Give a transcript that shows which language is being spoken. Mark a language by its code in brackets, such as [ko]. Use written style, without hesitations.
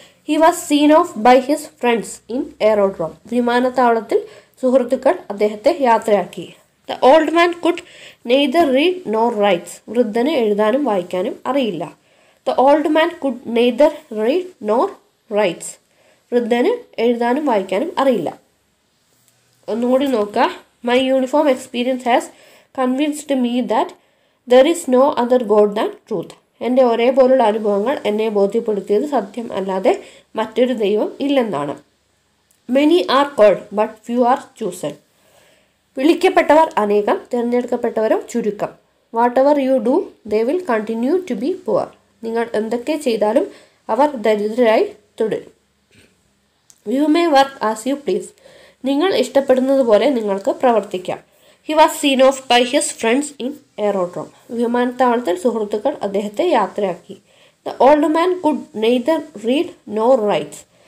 [en] He was seen off by his friends in aerodrome. [ml] വിമാനത്താവളത്തിൽ സുഹൃത്തുക്കൾ അദ്ദേഹത്തെ യാത്രയാക്കി. [en] The old man could neither read nor writes. [ml] വൃദ്ധന് എഴുതാനും വായിക്കാനും അറിയില്ല. [en] The old man could neither read nor writes. [ml] വൃദ്ധന് എഴുതാനും വായിക്കാനും അറിയില്ല. ഒന്നുകൂടി നോക്കുക. [en] My uniform experience has convinced me that there is no other God than truth. [ml] എൻ്റെ ഒരേപോലുള്ള അനുഭവങ്ങൾ എന്നെ ബോധ്യപ്പെടുത്തിയത് സത്യം അല്ലാതെ മറ്റൊരു ദൈവം ഇല്ലെന്നാണ്. [en] Many are called, but few are chosen. [ml] വിളിക്കപ്പെട്ടവർ അനേകം, തിരഞ്ഞെടുക്കപ്പെട്ടവരും ചുരുക്കം. [en] Whatever you do, they will continue to be poor. [ml] നിങ്ങൾ എന്തൊക്കെ ചെയ്താലും അവർ ദരിദ്രരായി തുടരും. [en] You may work as you please. [ml] നിങ്ങൾ ഇഷ്ടപ്പെടുന്നതുപോലെ നിങ്ങൾക്ക് പ്രവർത്തിക്കാം. [en] He was seen off by his friends in aerodrome. [ml] വിമാനത്താവളത്തിൽ സുഹൃത്തുക്കൾ അദ്ദേഹത്തെ യാത്രയാക്കി. [en] The old man could neither read nor writes.